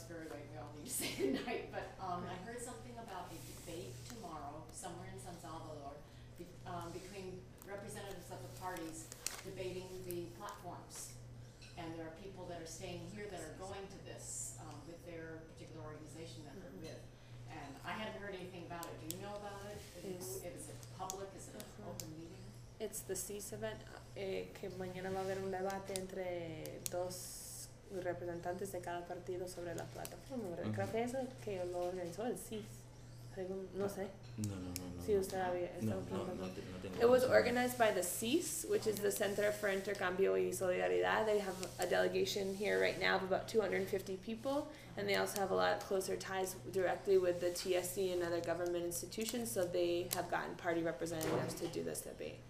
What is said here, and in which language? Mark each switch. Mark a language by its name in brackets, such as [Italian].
[English] Tonight, but I heard something about a debate tomorrow somewhere in San Salvador between representatives of the parties debating the platforms, and there are people that are staying here that are going to this with their particular organization that they're with, and I hadn't heard anything about it. Do you know about it? Is it public? Is it an open meeting? It's the CIS event. [Spanish] Que mañana va a haber un debate entre dos representantes de cada partido sobre la plataforma. Uh-huh. Creo que eso que lo organizó el CIS. No sé. No. Si usted había estado No. [English] It was organized by the CIS, which is the Center for Intercambio y Solidaridad. They have a delegation here right now of about 250 people, and they also have a lot of closer ties directly with the TSC and other government institutions, so they have gotten party representatives to do this debate.